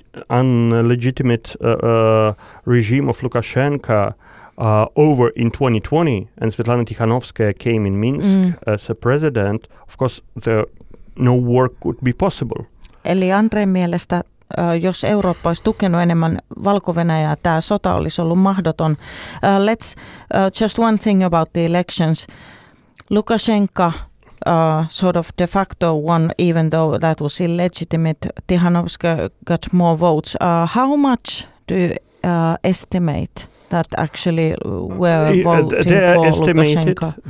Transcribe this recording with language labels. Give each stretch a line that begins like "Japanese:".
English: Regime of Lukashenko over in 2020 and Svetlana Tikhanovskaya came in Minsk as a president, of course the no war could be possible.
Finnish: Eli Andrei mielestä, jos Eurooppa olisi tukenut enemmän Valko-Venäjää, tämä sota olisi ollut mahdoton.
English: Let's just one thing about the elections. Lukashenko sort of de facto won, even though that was illegitimate. Tikhanovskaya got more votes. How much do you estimate that actually were voting for Lukashenko?